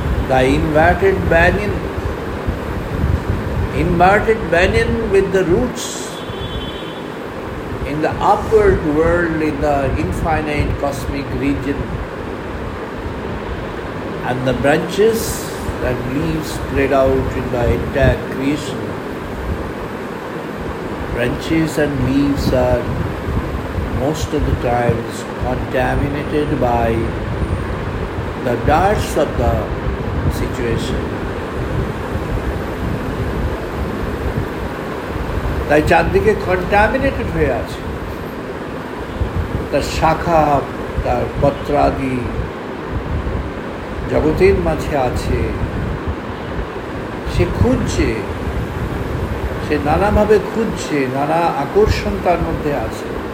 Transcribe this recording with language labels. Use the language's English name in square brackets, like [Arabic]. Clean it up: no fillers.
[English] The inverted banyan, inverted banyan with the roots in the upward world in the infinite cosmic reason and the branches that leaves spread out in the entire creation. Branches and leaves are most of the times contaminated by the darts of the situation. [Bangla] তাই চারদিকে contaminated হয়ে আছে, তার শাখা তার পত্রাদি জগতের মাঝে আছে, সে খুঁজছে, সে নানাভাবে খুঁজছে, নানা আকর্ষণ তার মধ্যে আছে।